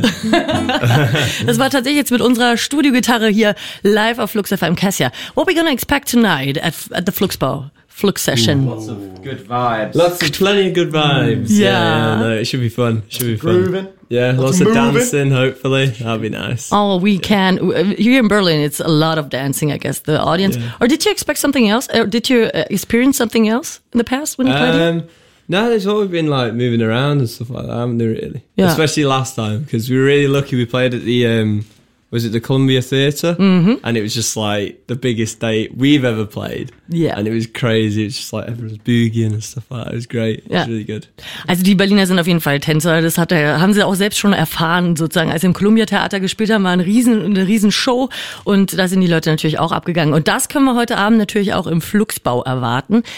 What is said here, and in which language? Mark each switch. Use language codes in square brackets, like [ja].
[de] Das war tatsächlich jetzt mit unserer Studio-Gitarre hier live auf Flux FM, Cassia. [en] What are we gonna expect tonight at the Fluxbo? Flux Session. Ooh. Lots of good vibes. Plenty of good vibes. Yeah. It should be fun. Yeah, lots of dancing, hopefully. That'd be nice. Oh, we can. Here in Berlin, it's a lot of dancing, I guess, the audience. Yeah. Or did you expect something else? Or did you experience something else in the past when you played it? No, there's always been like moving around and stuff like that, haven't they, really? Yeah. Especially last time, because we were really lucky. We played at the, was it the Columbia Theatre? Mm-hmm. And it was just like the biggest date we've ever played. Yeah. And it was crazy. It's just like everyone's boogieing and stuff like that. It was great. Yeah. It was really good. [de] Also die Berliner sind auf jeden Fall Tänzer. Das hat, haben sie auch selbst schon erfahren, sozusagen. Als sie im Columbia Theater gespielt haben, war eine riesen Show. Und da sind die Leute natürlich auch abgegangen. Und das können wir heute Abend natürlich auch im Fluxbau erwarten.